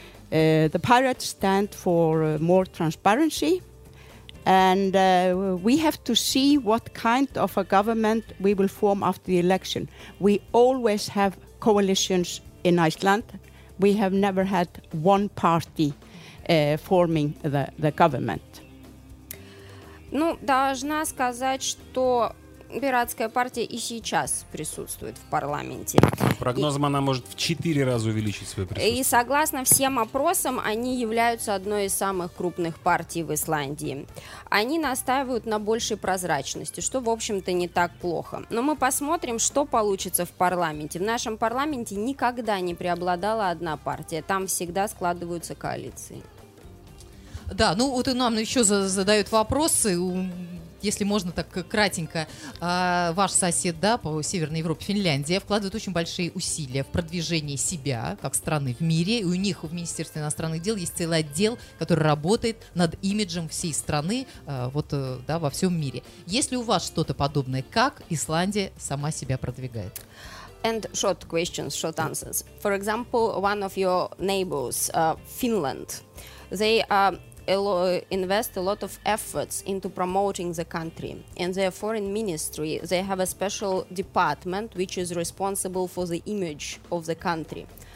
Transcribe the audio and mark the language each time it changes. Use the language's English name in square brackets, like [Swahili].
[English] The pirates stand for more transparency, and we have to see what kind of a government we will form after the election. We always have coalitions in Iceland. We have never had one party forming the government. [Russian] Ну, должна сказать, что пиратская партия и сейчас присутствует в парламенте. Прогнозом, она может в 4 раза увеличить свое присутствие. И согласно всем опросам, они являются одной из самых крупных партий в Исландии. Они настаивают на большей прозрачности, что, в общем-то, не так плохо. Но мы посмотрим, что получится в парламенте. В нашем парламенте никогда не преобладала одна партия. Там всегда складываются коалиции. Да, ну вот и нам еще задают вопросы. Если можно так кратенько, ваш сосед, да, по Северной Европе, Финляндия, вкладывает очень большие усилия в продвижение себя как страны в мире. И у них в Министерстве иностранных дел есть целый отдел, который работает над имиджем всей страны вот, да, во всем мире. Есть ли у вас что-то подобное? Как Исландия сама себя продвигает? [English] And short questions, short answers. For example, one of your neighbors, Finland, they are... invest a lot of efforts into promoting the country. In their foreign ministry, they have a special department which is responsible for the image of the country.